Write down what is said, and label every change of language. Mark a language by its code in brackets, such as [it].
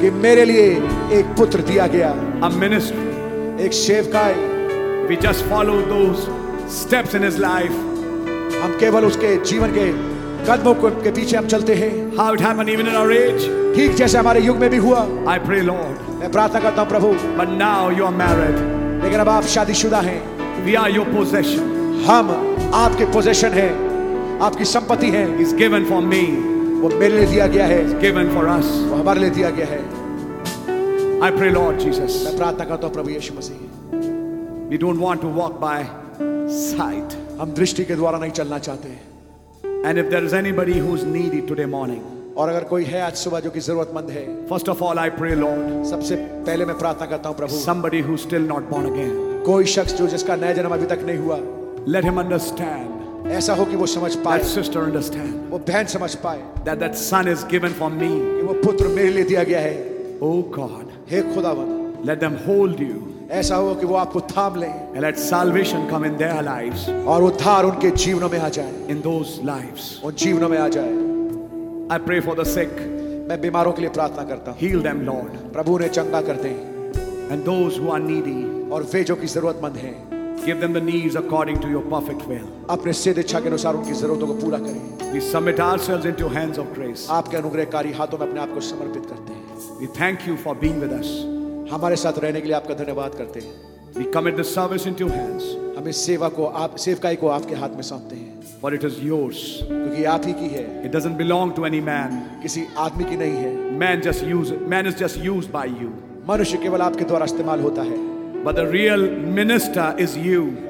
[hi] कि मेरे लिए एक पुत्र दिया गया [en] a ministry [hi] एक सेवकाय [en] we just follow those steps in his life [hi] हम केवल उसके जीवन के कदमों के पीछे हम चलते हैं [en] how it happened even in our age [hi] ठीक जैसे हमारे युग में भी हुआ [en] I pray Lord [hi] मैं प्रार्थना करता हूं प्रभु [en] but now you are married [hi] लेकिन अब आप शादीशुदा हैं [en] we are your possession [hi] हम आपके possession हैं आपकी संपत्ति है [en] is given for me [hi] वो मेरे लिए दिया गया है [en] given for us [hi] वो हमारे लिए दिया गया है [en] I pray Lord Jesus [hi] मैं प्रार्थना करता हूं प्रभु यीशु मसीह [en] we don't want to walk by sight [hi] हम दृष्टि के द्वारा नहीं चलना चाहते [en] and if there is anybody who's needy today morning [hi] और अगर कोई है आज सुबह जो कि जरूरतमंद है [en] first of all I pray Lord [hi] सबसे पहले मैं प्रार्थना करता हूं प्रभु [en] somebody who's still not born again [hi] कोई शख्स जो जिसका नया जन्म अभी तक नहीं हुआ [en] let him understand [hi] ऐसा हो कि वो समझ पाए [en] that sister understand [hi] वो बहन समझ पाए [en] that son is given for me [hi] कि वो पुत्र मेरे लिए दिया गया है [en] oh god [hi] हे खुदावंद [en] let them hold you [hi] ऐसा हो कि वो आपको थाम ले [en] and let salvation come in their lives [hi] और उद्धार उनके जीवनों में आ जाए [en] in those lives [hi] उन जीवनों में आ जाए [en] I pray for the sick [hi] मैं बीमारों के लिए प्रार्थना करता हूं [en] heal them lord [hi] प्रभु उन्हें चंगा कर दे [en] and those who are needy [hi] और वे जो कि जरूरतमंद हैं [en] Give them the needs according to your perfect will. [hi] अपने सीधे इच्छा के अनुसार उनकी जरूरतों को पूरा करें. [en] We submit ourselves into your hands of grace. [hi] आपके अनुग्रहकारी हाथों में अपने आप को समर्पित करते हैं. [en] We thank you for being with us. [hi] हमारे साथ रहने के लिए आपका धन्यवाद करते हैं. [en] We commit the service into your hands. [hi] हम इस सेवा को आप सेवकाई को आपके हाथ में सौंपते हैं. [en] For it is yours. [hi] क्योंकि आप ही की है. [en] It doesn't belong to any man. [hi] किसी आदमी की नहीं है. [en] Man just uses. Man is just used by you. [hi] मनुष्य केवल आपके द्वारा इस्तेमाल होता है. [en] But the real minister is you.